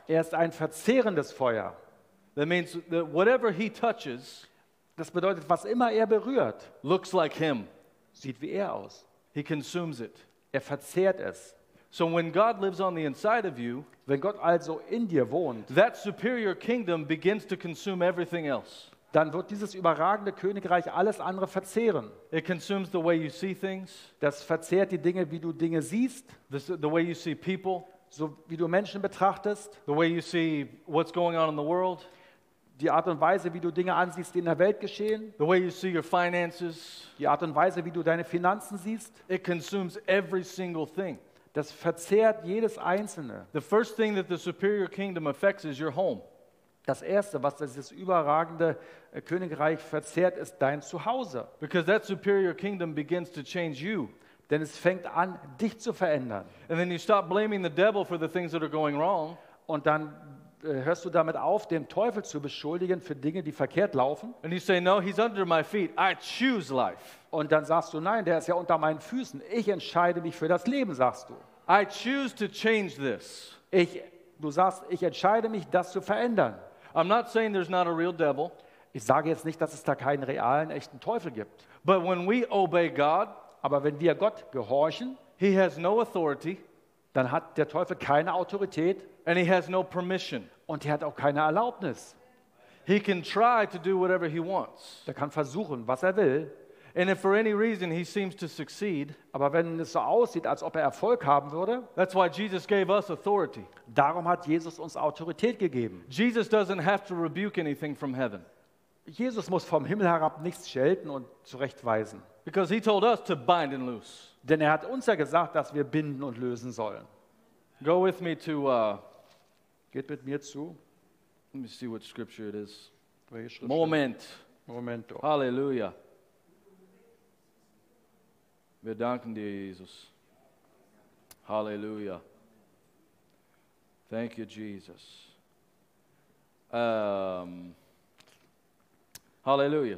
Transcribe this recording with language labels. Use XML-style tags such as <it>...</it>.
<de>Er ist ein verzehrendes Feuer.</de> <en>That means that whatever he touches,</en> <de>das bedeutet, was immer er berührt,</de> <en>looks like him.</en> <de>Sieht wie er aus.</de> <en>He consumes it.</en> <de>Er verzehrt es.</de> <en>So when God lives on the inside of you,</en> <de>wenn Gott also in dir wohnt,</de> <en>that superior kingdom begins to consume everything else.</en> <de>Dann wird dieses überragende Königreich alles andere verzehren.</de> <en>It consumes the way you see things.</en> <de>Das verzehrt die Dinge, wie du Dinge siehst.</de> <en>The way you see people.</en> <de>So wie du Menschen betrachtest.</de> <en>The way you see what's going on in the world.</en> <de>Die Art und Weise, wie du Dinge ansiehst, die in der Welt geschehen.</de> <en>The way you see your finances.</en> <de>Die Art und Weise, wie du deine Finanzen siehst.</de> <en>It consumes every single thing.</en> <de>Das verzehrt jedes Einzelne.</de> <en>The first thing that the superior kingdom affects is your home.</en> <de>Das erste, was das überragende Königreich verzehrt, ist dein Zuhause.</de> <en>Because that superior kingdom begins to change you.</en> <de>Denn es fängt an, dich zu verändern.</de> <en>And then you stop blaming the devil for the things that are going wrong.</en> <de>Und dann hörst du damit auf, den Teufel zu beschuldigen für Dinge, die verkehrt laufen.</de> <en>And you say, no, he's under my feet. I choose life.</en> <de>Und dann sagst du, nein, der ist ja unter meinen Füßen. Ich entscheide mich für das Leben, sagst du.</de> <en>I choose to change this.</en> <de>Du sagst, ich entscheide mich, das zu verändern.</de> <en>I'm not saying there's not a real devil.</en> <de>Ich sage jetzt nicht, dass es da keinen realen, echten Teufel gibt.</de> <en>But when we obey God,</en> <de>aber wenn wir Gott gehorchen,</de> <en>he has no authority,</en> <de>dann hat der Teufel keine Autorität,</de> <en>and he has no permission,</en> <de>und er hat auch keine Erlaubnis.</de> <en>He can try to do whatever he wants.</en> <de>Er kann versuchen, was er will.</de> <en>And if for any reason he seems to succeed,</en> <de>aber wenn es so aussieht, als ob er Erfolg haben würde,</de> <en>that's why Jesus gave us authority.</en> <de>Darum hat Jesus uns Autorität gegeben.</de> <en>Jesus doesn't have to rebuke anything from heaven.</en> <de>Jesus muss vom Himmel herab nichts schelten und zurechtweisen.</de> <en>Because he told us to bind and loose.</en> <de>Denn er hat uns ja gesagt, dass wir binden und lösen sollen.</de> <en>Go with me to.</en> <de>Geht mit mir zu.</de> <en>Let me see what scripture it is.</en> <de>Welche Schrift? Moment. Momento. Hallelujah. Wir danken dir, Jesus. Hallelujah.</de> <en>Thank you, Jesus. Hallelujah.</en>